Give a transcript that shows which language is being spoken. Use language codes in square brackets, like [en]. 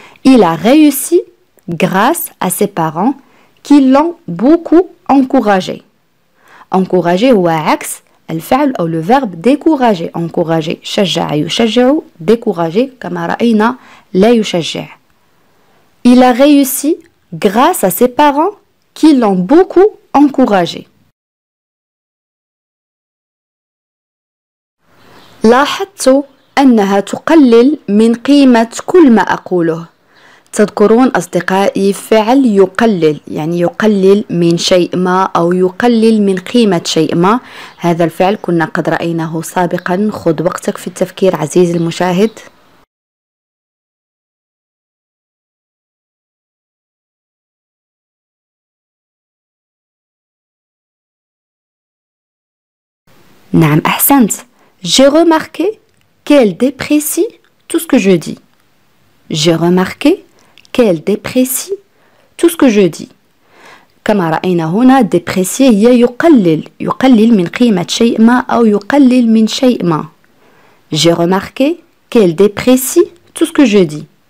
[fr] Il a réussi grâce à ses parents qui l'ont beaucoup encouragé. Encouragé ou [ar] عكس الفعل أو [fr] le verbe décourager. [ar] Encourager, شجع يشجع, décourager, كما رأينا, لا يشجع. [fr] Il a réussi grâce à ses parents qui l'ont beaucoup encouragé. [ar] لاحظتوا أنها تقلل من قيمة كل ما أقوله. تذكرون أصدقائي فعل يقلل يعني يقلل من شيء ما أو يقلل من قيمة شيء ما. هذا الفعل كنا قد رأيناه سابقا. خذ وقتك في التفكير عزيزي المشاهد. نعم أحسنت. [fr] J'ai remarqué qu'elle déprécie tout ce que je dis. J'ai remarqué qu'elle déprécie tout ce que je dis. [ar] كما رأينا هنا déprécie هي يقلل. يقلل من قيمة شيء ما أو يقلل من شيء ما. [fr] J'ai remarqué qu'elle déprécie tout ce que je dis.